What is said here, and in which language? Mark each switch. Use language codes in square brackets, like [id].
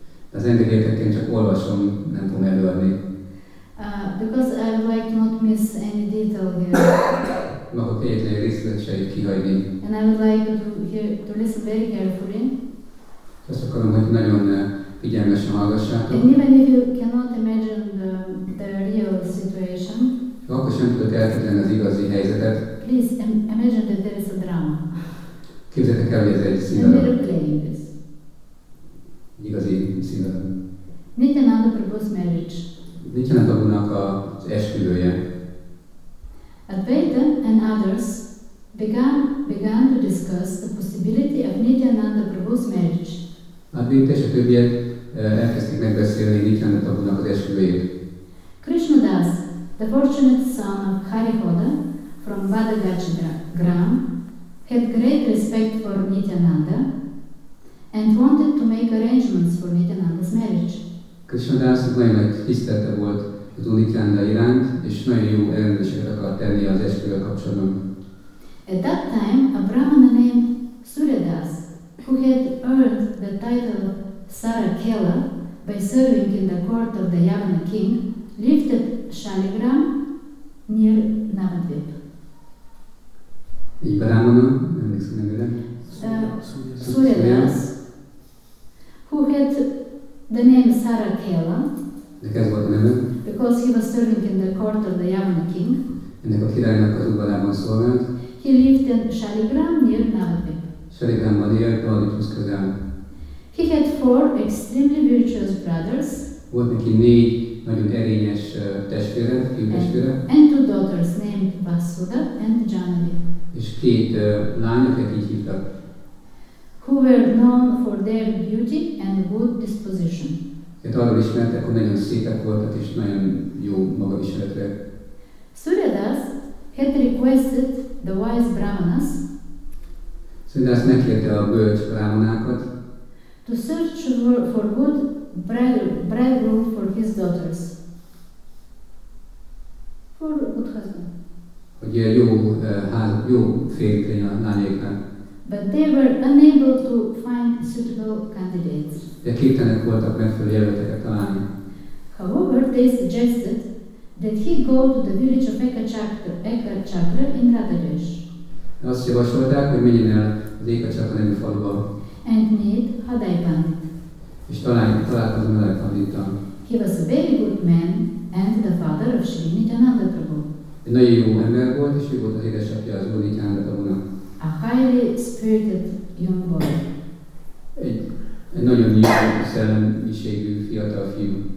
[hu] De az engedélyeket én csak olvasom, nem fogom előadni. [en] Because I would like to not miss any detail here. [hu] Meg a kétlen részletseit kihagyni. [en] And I would like to listen very carefully. [hu] Azt akarom, hogy nagyon figyelmesen hallgassátok. [en] And even if you cannot imagine the real situation. [hu] Akkor sem tudok elképzelni az igazi helyzetet. [en] Please imagine that there is a drama. [hu] Képzeljétek el, hogy ez egy színdarab. [en] And we are playing this. [hu] Egy igazi színdarab. [en] Nityananda Prabhu's marriage. [hu] Nityananda Prabhu-nak az esküvője. [en] Advaita and others began to discuss the possibility of Nityananda Prabhu's marriage. [hu] Advaita és a többiek elkezdték megbeszélni Nityananda Prabhu-nak az esküvőjét. [en] Krishnadas, the fortunate son of Harihoda from Vadagachagram, had great respect for Nityananda and wanted to make arrangements for Nityananda's marriage. [hu] Krishnadas nagyon nagy tisztelete volt az Úr Nityananda iránt, és nagyon jó elrendeléseket akart tenni az esküvő kapcsolatban. [en] At that time, a brahmana named Suryadas, who had earned the title of Sarakela by serving in the court of the Yavana king, lived at Shaligram near Navadvip. [hu] Egy brahmana, emlékszem nevére? [en] Suryadas, who had the name Sarakela, [hu] ez volt a neve, [en] because he was serving in the court of the Yavana king. [hu] Ennek a királynak az udvarában szolgált. [en] He lived in Shaligram near Navadvip. [hu] Shaligramban élt, Navadviphoz közel. [en] He had four extremely virtuous brothers. [hu] Volt neki négy nagyon erényes testvére, fiútestvére. [en] And two daughters named Vasuda and Janavi. [hu] És két lányok, akik hívtak. [en] Who were known for their beauty and good disposition. [hu] Tehát arról ismertek, hogy nagyon szépek voltak és nagyon jó magaviseletre. [en] Suryadas had requested the wise brahmanas. [hu] Suryadas megkérte a bölcs brahmanákat. [en] To search for good bridegroom for his daughters. For good husband. [hu] Hogy jó férjük legyen a lányaiknak. [en] But they were unable to find suitable candidates. [hu] De képtelenek voltak megfelelő jelölteket találni. [en] However, they suggested that he go to the village of Ekachakra in Radadesh. [hu] Azt javasolták, hogy menjen el az Ekachakra nevű faluba. [en] And meet Hadai Pandit. [hu] És találkozom Hadai Pandittal. [en] He was a very good man and the father of Sri Nityananda Prabhu. [hu] Egy nagyon jó ember volt, és ő volt az édesapja az Úr Nityananda Prabhunak. [en] A highly spirited young boy. [hu] Egy nagyon jó szellemiségű fiatal fiú.